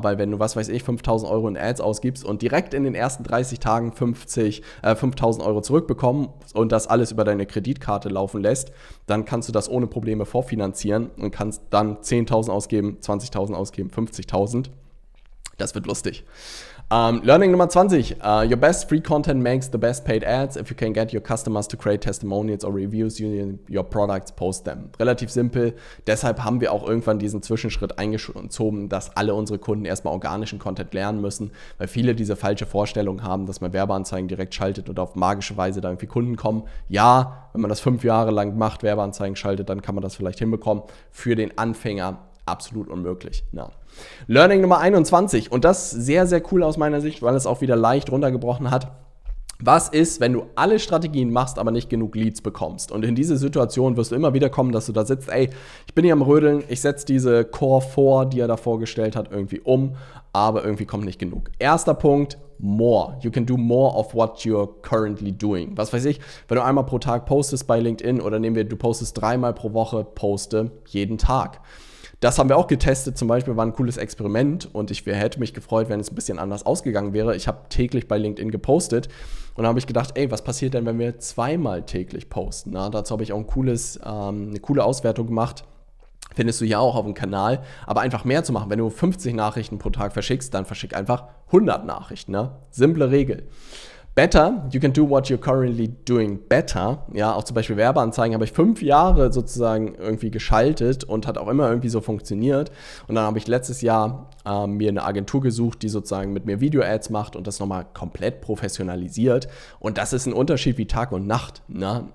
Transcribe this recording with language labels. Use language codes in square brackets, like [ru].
[de] Weil wenn du, was weiß ich, 5.000 Euro in Ads ausgibst und direkt in den ersten 30 Tagen 5.000 Euro zurückbekommen und das alles über deine Kreditkarte laufen lässt, dann kannst du das ohne Probleme vorfinanzieren und kannst dann 10.000 ausgeben, 20.000 ausgeben, 50.000. Das wird lustig. Learning Nummer 20. [en] Your best free content makes the best paid ads. If you can get your customers to create testimonials or reviews using your products, post them. [de] Relativ simpel. Deshalb haben wir auch irgendwann diesen Zwischenschritt eingezogen, dass alle unsere Kunden erstmal organischen Content lernen müssen, weil viele diese falsche Vorstellung haben, dass man Werbeanzeigen direkt schaltet und auf magische Weise da irgendwie Kunden kommen. Ja, wenn man das 5 Jahre lang macht, Werbeanzeigen schaltet, dann kann man das vielleicht hinbekommen. Für den Anfänger absolut unmöglich. Ja. Learning Nummer 21 und das sehr, sehr cool aus meiner Sicht, weil es auch wieder leicht runtergebrochen hat. Was ist, wenn du alle Strategien machst, aber nicht genug Leads bekommst? Und in diese Situation wirst du immer wieder kommen, dass du da sitzt, ey, ich bin hier am Rödeln, ich setze diese Core 4, die er da vorgestellt hat, irgendwie um, aber irgendwie kommt nicht genug. Erster Punkt, [en] more. You can do more of what you're currently doing. [de] Was weiß ich, wenn du einmal pro Tag postest bei LinkedIn oder nehmen wir, du postest 3-mal pro Woche, poste jeden Tag. Das haben wir auch getestet, zum Beispiel war ein cooles Experiment und ich hätte mich gefreut, wenn es ein bisschen anders ausgegangen wäre. Ich habe täglich bei LinkedIn gepostet und da habe ich gedacht, ey, was passiert denn, wenn wir 2-mal täglich posten? Na, dazu habe ich auch eine coole Auswertung gemacht, findest du hier auch auf dem Kanal. Aber einfach mehr zu machen, wenn du 50 Nachrichten pro Tag verschickst, dann verschick einfach 100 Nachrichten. Ne? Simple Regel. [en] better, you can do what you're currently doing better. [de] Ja, auch zum Beispiel Werbeanzeigen habe ich 5 Jahre sozusagen irgendwie geschaltet und hat auch immer irgendwie so funktioniert. Und dann habe ich letztes Jahr mir eine Agentur gesucht, die sozusagen mit mir Video-Ads macht und das nochmal komplett professionalisiert. Und das ist ein Unterschied wie Tag und Nacht. Ne?